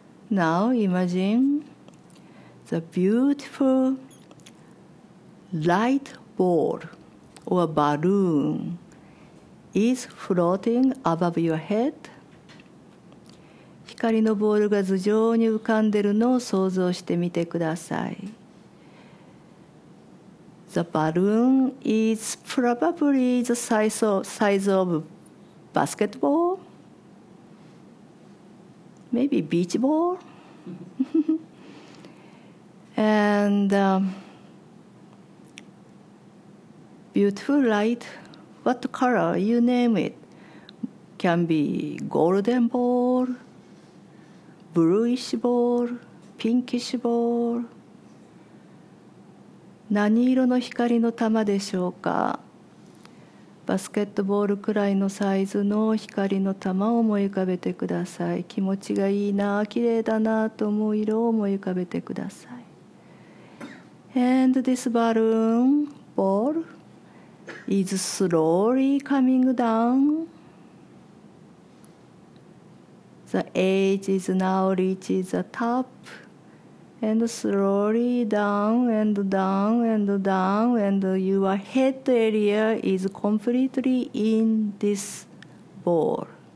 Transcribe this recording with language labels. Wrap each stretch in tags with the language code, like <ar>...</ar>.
<en>Now imagine the beautiful light ball or balloon is floating above your head.</en> <ja>光のボールが頭上に浮かんでるのを想像してみてください。</ja> <en>The balloon is probably the size of basketball, maybe beach ball. And beautiful light, what color you name it, can be golden ball, bluish ball, pinkish ball.</en> <ja>何色の光の玉でしょうか。バスケットボールくらいのサイズの光の玉を思い浮かべてください。気持ちがいいな、綺麗だなと思う色を思い浮かべてください。</ja> <en>And this balloon ball is slowly coming down. The edge is now reaching the topAnd slowly down and down and down, and your head area is completely in this ball.</en>